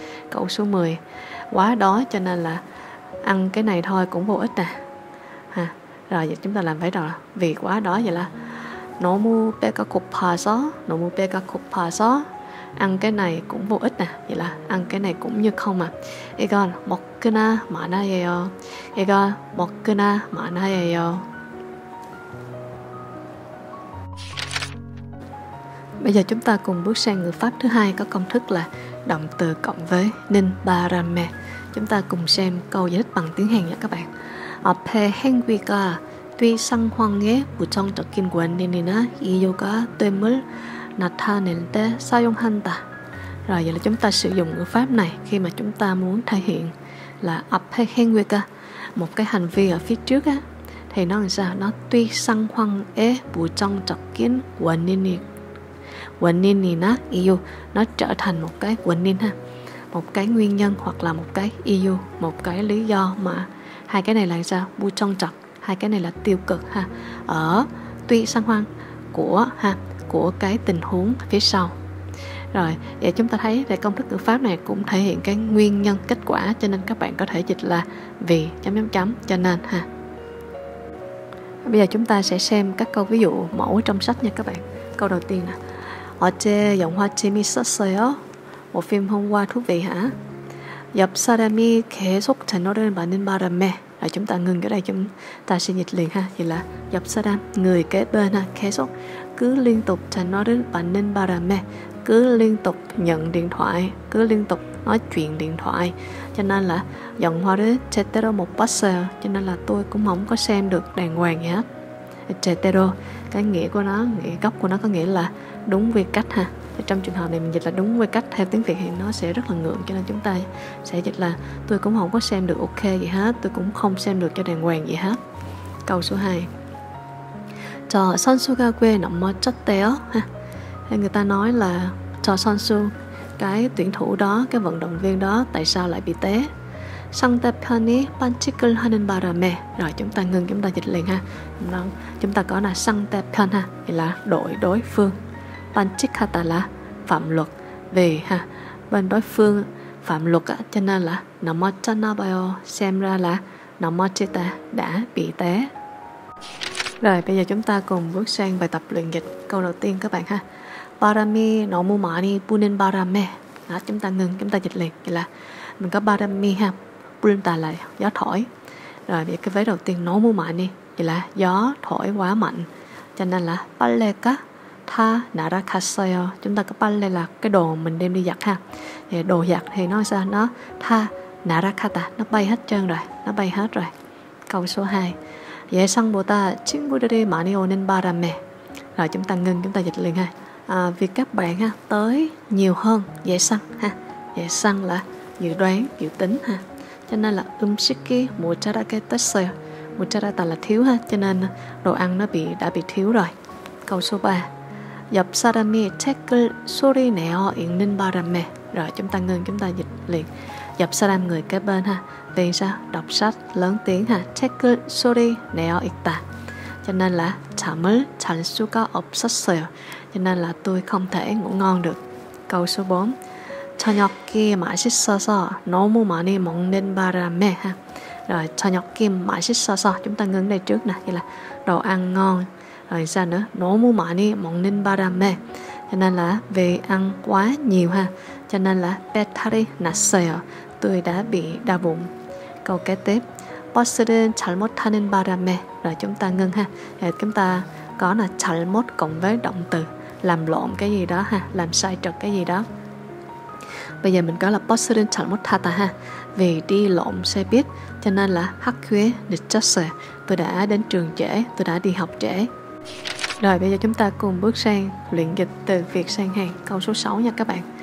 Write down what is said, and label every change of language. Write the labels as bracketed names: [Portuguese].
[Vietnamese] Câu số 10. Quá đói cho nên là ăn cái này thôi cũng vô ích nè. Ha. Rồi vậy chúng ta làm vậy rồi. Vì quá đói vậy là [Korean] 너무 배가 고파서. 너무 배가 고파서. [Vietnamese] Ăn cái này cũng vô ích nè. Vậy là ăn cái này cũng như không mà. [Korean] 이건 먹거나 마나예요. 이건 먹거나 마나예요. [Vietnamese] Bây giờ chúng ta cùng bước sang ngữ pháp thứ hai, có công thức là động từ cộng với nên ba ra mẹ. Chúng ta cùng xem câu giải thích bằng tiếng Hàn nha các bạn. [Korean] 앞에 행위가 뒤 상황에 부정적인 원인이나 이유가 됨을 나타낼 때 사용한다. [Vietnamese] Rồi vậy là chúng ta sử dụng ngữ pháp này khi mà chúng ta muốn thể hiện là [Korean] 앞에 행위가, [Vietnamese] một cái hành vi ở phía trước á, thì nó làm sao? Nó [Korean] 뒤 상황에 부정적인 원인이 원인이나 이유, [Vietnamese] nó trở thành một cái 원인 ha, một cái nguyên nhân hoặc là một cái 이유, một cái lý do mà. Hai cái này là sao? 부정적, hai cái này là tiêu cực ha. Ở [Korean] 뒤 상황 [Vietnamese] của ha, của cái tình huống phía sau. Rồi, vậy chúng ta thấy về công thức ngữ pháp này cũng thể hiện cái nguyên nhân kết quả, cho nên các bạn có thể dịch là vì chấm chấm chấm cho nên ha. Bây giờ chúng ta sẽ xem các câu ví dụ mẫu trong sách nha các bạn. Câu đầu tiên nè. [Korean] 어제 영화 재밌었어요? 뭐 film 홍화 투비 하? 옆 사람이 계속 채널을 맞는 바람에 [Vietnamese] Rồi chúng ta ngừng ở đây, chúng ta sẽ dịch liền ha. Thì là [Korean] 옆사람 [Vietnamese] người kế bên ha, 계속 cứ liên tục [Korean] 전화를 받는 바람에, [Vietnamese] cứ liên tục nhận điện thoại, cứ liên tục nói chuyện điện thoại. Cho nên là [Korean] 영화를 제대로 못 봤어요. [Vietnamese] Cho nên là tôi cũng không có xem được đàng hoàng gì hết. 제대로, cái nghĩa của nó, nghĩa gốc của nó có nghĩa là đúng về cách ha. Trong trường hợp này mình dịch là đúng về cách theo tiếng Việt thì nó sẽ rất là ngượng, cho nên chúng ta sẽ dịch là tôi cũng không có xem được ok gì hết, tôi cũng không xem được cho đàng hoàng gì hết. Câu số 2. [Korean] 저 선수가 왜 넘어졌대요? Ha. [Vietnamese] Hay người ta nói là [Korean] 저 선수, [Vietnamese] cái tuyển thủ đó, cái vận động viên đó tại sao lại bị té? [Korean] 상대편이 반칙을 하는 바람에. [Vietnamese] Rồi chúng ta ngừng, chúng ta dịch liền ha. Chúng ta có là 상대편 ha, thì là đội đối phương. [Korean] 반칙하다 là [Vietnamese] phạm luật. Vì ha, bên đối phương phạm luật á, cho nên là [Korean] 넘어졌나봐요, [Vietnamese] xem ra là 넘어지다, đã bị té. Rồi bây giờ chúng ta cùng bước sang bài tập luyện dịch. Câu đầu tiên các bạn ha. [Korean] 바람이 너무 많이 부는 바람에. [Vietnamese] Đó, chúng ta ngừng, chúng ta dịch liền. Vậy là mình có 바람이 ha, 불다 là gió thổi. Rồi bây giờ cái vế đầu tiên [Korean] 너무 많이, [Vietnamese] vậy là gió thổi quá mạnh. Cho nên là [Korean] 빨래가 다 날아갔어요. [Vietnamese] Chúng ta có 빨래 là cái đồ mình đem đi giặt ha. Vậy đồ giặt thì nó sao? Nó [Korean] 다 날아갔다, [Vietnamese] nó bay hết trơn rồi, nó bay hết rồi. Câu số 2. [Korean] 예상보다 친구들이 많이 오는 바람에. [Vietnamese] Rồi chúng ta ngừng, chúng ta dịch liền ha. Vì các bạn ha, tới nhiều hơn, dễ săn ha. Dễ săn là dự đoán, dự tính ha. Cho nên là [Korean] 음식이 모자라게 됐어요. [Vietnamese] 모자라다 là thiếu ha, cho nên đồ ăn nó bị đã bị thiếu rồi. Câu số 3. [Korean] 옆 사람이 책을 소리 내어 읽는 바람에. [Vietnamese] Rồi chúng ta ngừng, chúng ta dịch liền. [Korean] 옆 사람 [Vietnamese] người kế bên ha. Vì sao? Đọc sách lớn tiếng ha. [Korean] 책을 소리 내어 읽다. [Vietnamese] Cho nên là [Korean] 잠을 잘 수가 없었어요. [Vietnamese] Cho nên là tôi không thể ngủ ngon được. Câu số 4. [Korean] 저녁이 맛있어서 너무 많이 먹는 바람에 ha. [Vietnamese] Rồi [Korean] 저녁이 맛있어서, [Vietnamese] chúng ta ngừng đây trước nè, vậy là đồ ăn ngon. Rồi sao nữa? [Korean] 너무 많이 먹는 바람에. [Vietnamese] Cho nên là vì ăn quá nhiều ha. Cho nên là [Korean] 배탈이 났어요. [Vietnamese] Tôi đã bị đau bụng. Câu kế tiếp. [Korean] 버스를 잘못하는 바람에. [Vietnamese] Rồi chúng ta ngừng ha. Rồi chúng ta có là 잘못 cộng với động từ, làm lộn cái gì đó ha, làm sai trật cái gì đó. Bây giờ mình có là [Korean] 버스를 잘못하다 [Vietnamese] ha. Vì đi lộn xe buýt, cho nên là [Korean] 학교에 늦었어요. [Vietnamese] Tôi đã đến trường trễ, tôi đã đi học trễ. Rồi bây giờ chúng ta cùng bước sang luyện dịch từ Việt sang Hàn. Câu số 6 nha các bạn.